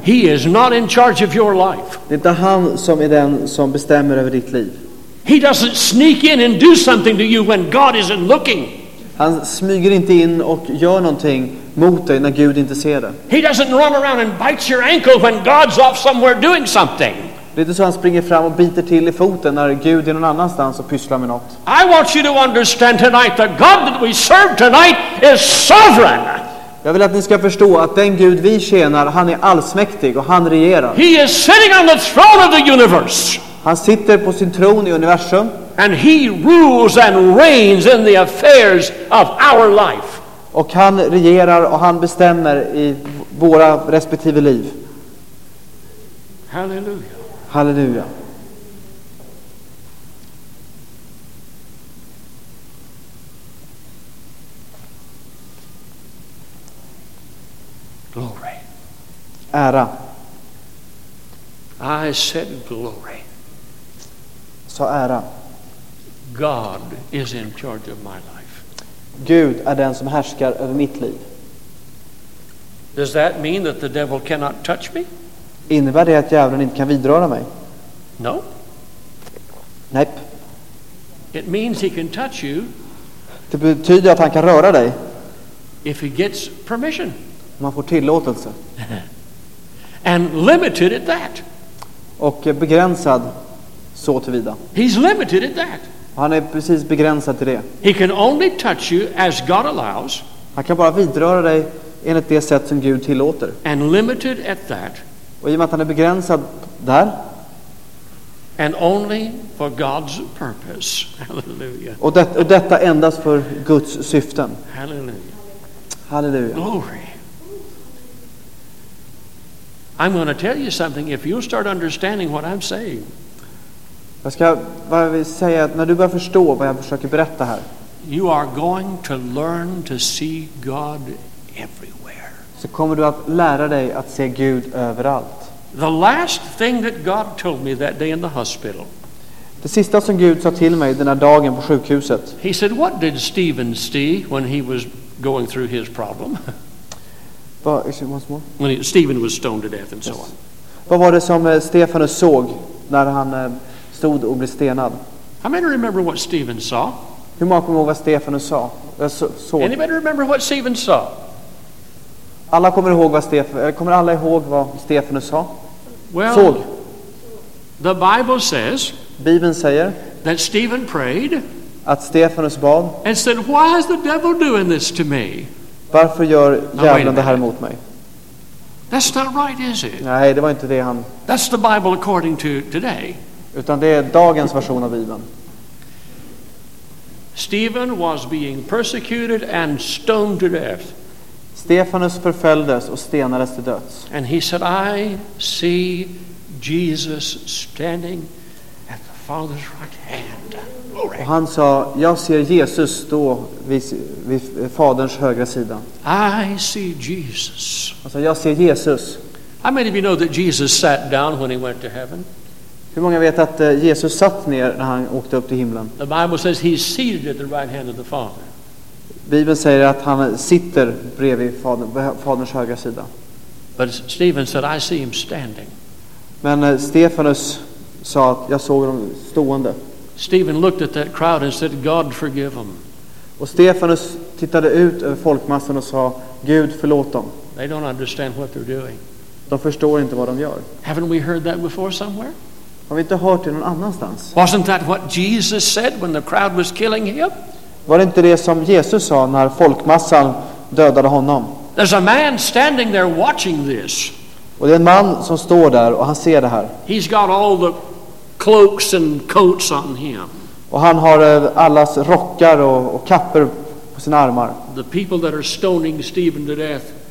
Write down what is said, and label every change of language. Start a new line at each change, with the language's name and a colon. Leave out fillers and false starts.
English: He is not in charge of your life.
Swedish: Det är inte han som är den som bestämmer över ditt liv.
English: He doesn't sneak in and do something to you when God isn't looking.
Swedish: Han smyger inte in och gör någonting mot dig när Gud inte ser det.
English: He doesn't run around and bite your ankle when God's off somewhere doing something.
Swedish: Det är inte så han springer fram och biter till i foten när Gud är någon annanstans och pysslar med något.
English: I want you to understand tonight that God that we serve tonight is sovereign.
Swedish: Jag vill att ni ska förstå att den Gud vi tjänar, han är allsmäktig och han regerar.
English: He is sitting on the throne of the universe.
Swedish: Han sitter på sin tron i universum.
English: And he rules and reigns in the affairs of our life.
Swedish: Och han regerar och han bestämmer i våra respektive liv.
English: Halleluja.
Swedish: Halleluja.
English: Glory.
Swedish: Ära.
English: I said glory.
Swedish: Så ära.
English: God is in charge of my life.
Swedish: Gud är den som härskar över mitt liv.
English: Does that mean that the devil cannot touch me?
Swedish: Innebär det att djävulen inte kan vidröra mig?
English: No.
Swedish: Nej.
English: It means he can touch you.
Swedish: Det betyder att han kan röra dig.
English: If he gets permission.
Swedish: Om han får tillåtelse.
English: And limited at that.
Swedish: Och begränsad så tillvida.
English: He's limited at that.
Swedish: Han är precis begränsad till det.
English: He can only touch you as God allows.
Swedish: Han kan bara vidröra dig enligt det sätt som Gud tillåter.
English: And limited at that.
Swedish: Och i och med att han är begränsad där.
English: And only for God's purpose. Hallelujah.
Swedish: Och detta endast för Guds syften.
English: Hallelujah. Hallelujah. Glory. I'm going to tell you something if you start understanding what I'm saying.
Swedish: Jag ska bara säga att när du börjar förstå vad jag försöker berätta här.
English: You are going to learn to see God everywhere.
Swedish: Så kommer du att lära dig att se Gud överallt.
English: The last thing that God told me that day in the hospital.
Swedish: Det sista som Gud sa till mig den här dagen på sjukhuset.
English: He said, "What did Stephen see when he was going through his problem?" But is it once more? When Stephen was stoned to death and yes. so on.
Swedish: Vad var det som Stefanus såg när han stod och blev stenad?
English: How many remember what Stephen saw?
Swedish: Hur många kommer ihåg vad Stefanus sa?
English: Anybody remember what Stephen saw?
Swedish: Alla kommer ihåg vad Stefan kommer alla ihåg vad Stefanus sa?
English: Well,
Swedish: såg.
English: The Bible says.
Swedish: Bibeln säger
English: that Stephen prayed.
Swedish: Att Stefanus bad.
English: And said, "Why is the devil doing this to me?"
Swedish: Varför gör djävulen det här mot mig?
English: That's not right, is it?
Swedish: Nej, det var inte det han.
English: That's the Bible according to today.
Swedish: Utan det är dagens version av Bibeln.
English: Stephen was being persecuted and stoned to death.
Swedish: Stefanus förföljdes och stenades till döds.
English: And he said, "I see Jesus standing at the Father's right hand." Glory.
Swedish: Och han sa, "Jag ser Jesus stå vid Faderns högra sida."
English: I see Jesus.
Swedish: Alltså, jag ser Jesus.
English: How many of you know that Jesus sat down when he went to heaven?
Swedish: Hur många vet att Jesus satt ner när han åkte upp till himlen?
English: The Bible says he's seated at the right hand of the Father.
Swedish: Bibeln säger att han sitter bredvid faderns högra sida.
English: But Stephen said, "I see him standing."
Swedish: Men Stefanus sa att jag såg dem stående.
English: Stephen looked at that crowd and said, "God forgive them."
Swedish: Och Stefanus tittade ut över folkmassan och sa, "Gud förlåt dem."
English: They don't understand what they're doing.
Swedish: De förstår inte vad de gör.
English: Haven't we heard that before somewhere?
Swedish: Har vi inte hört det någon annanstans?
English: Wasn't that what Jesus said when the crowd was killing him?
Swedish: Var det inte det som Jesus sa när folkmassan dödade honom?
English: There's a man standing there watching this.
Swedish: Och det är en man som står där och han ser det här.
English: He's got all the cloaks and coats on him.
Swedish: Och han har allas rockar och kapper på sina armar.
English: The people that are stoning Stephen to death.